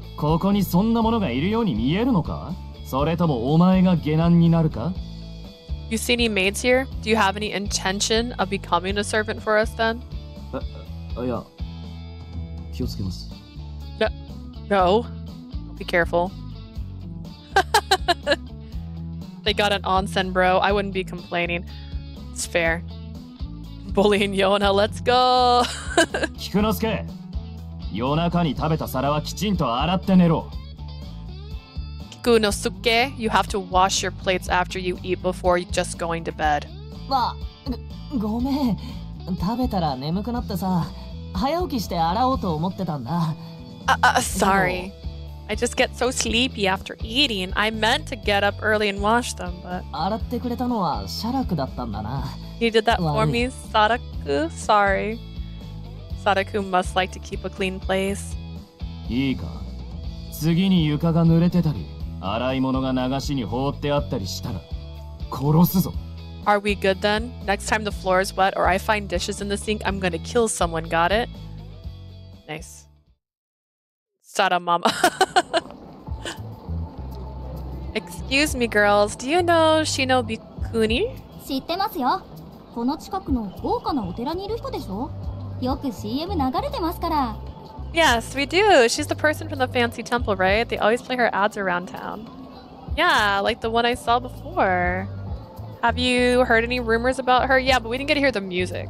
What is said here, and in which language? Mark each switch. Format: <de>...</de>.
<ja>ここにそんなものがいるように見えるのか？それともお前が下男になるか？</ja> <en>You see any maids here? Do you have any intention of becoming a servant for us then?</en> <ja>いや、気をつけます。</ja> <en>No. Be careful. They got an onsen, bro. I wouldn't be complaining. It's fair. Bullying Yona, let's go! Kikunosuke!</en> <ja>夜中に食べた皿はきちんと洗って寝ろ。</ja> <en>Kiku no suke, you have to wash your plates after you eat before just going to bed.</en> <ja>まあ、ごめん。食べたら眠くなってさ、早起きして洗おうと思ってたんだ。</ja> <en>Sorry. I just get so sleepy after eating. I meant to get up early and wash them, but...</en> <ja>洗ってくれたのはシャラクだったんだな。</ja> <en>You did that for me, Sadaku? Sorry. Sadaku must like to keep a clean place.</en> <ja>いいか。次に床が濡れてたり、洗い物が流しに放ってあったりしたら、殺すぞ。</ja> <en>Are we good then? Next time the floor is wet or I find dishes in the sink, I'm gonna kill someone, got it? Nice. Sada mama. Excuse me, girls. Do you know Shinobikuni?</en> <ja>知ってますよ。この近くの豪華なお寺にいる人でしょ？よく CM 流れてますから。</ja> <en>Yes, we do. She's the person from the fancy temple, right? They always play her ads around town. Yeah, like the one I saw before. Have you heard any rumors about her? Yeah, but we didn't get to hear the music.</en>